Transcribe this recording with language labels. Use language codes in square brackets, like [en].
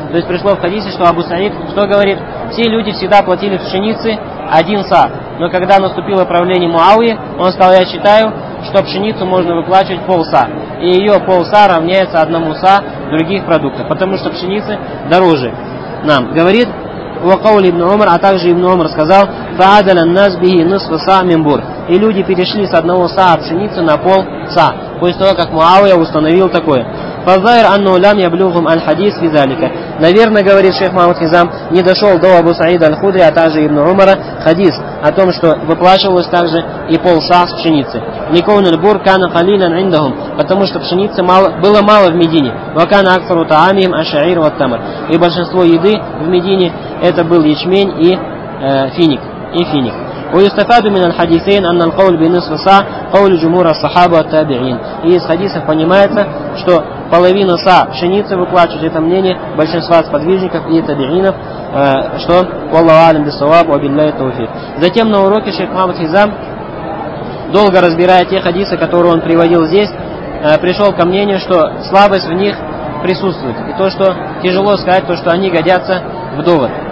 [ru] То есть пришло в хадисе, что Абу Саид, что говорит, все люди всегда платили в пшенице один са, но когда наступило правление Муавии, он сказал, я считаю, что пшеницу можно выплачивать полса, и ее полса равняется одному са других продуктов, потому что пшеницы дороже нам, говорит [ar] وقول ابن عمر, [ru] а также ابن عمر сказал, [ar] فعدل الناس به نصف صاع من بور, [ru] и люди перешли с одного صاع пшеницы на пол صاع после того, как Муавия установил такое. [ar] فظاهر أنه لم يبلغهم الحديث في ذلك. [ru] Наверное, говорит шейх Мухаммад Хизам, не дошел до Абу Саида аль-Худри, а также ибн Умара, хадис о том, что выплачивалось также и полса с пшеницы. [ar] لكون البور كان قليلا عندهم, [ru] потому что пшеницы было мало в Медине. [ar] وكان أكثر طعامهم الشعير والتمر, [ru] и большинство еды в Медине это был ячмень и финик. [ar] ويستفاد من الحديثين أن القول بنصف صاع قول جمهور الصحابة والتابعين. [ru] И из хадисов понимается, что половина са пшеницы выплачивать, это мнение большинства сподвижников и табиинов, что [ar] Аллаху алим бисаваб ва биллахи тауфик. [ru] Затем на уроке шейх Мухаммад Хизам, долго разбирая те хадисы, которые он приводил здесь, пришел ко мнению, что слабость в них присутствует, и то, что тяжело сказать, то, что они годятся в довод.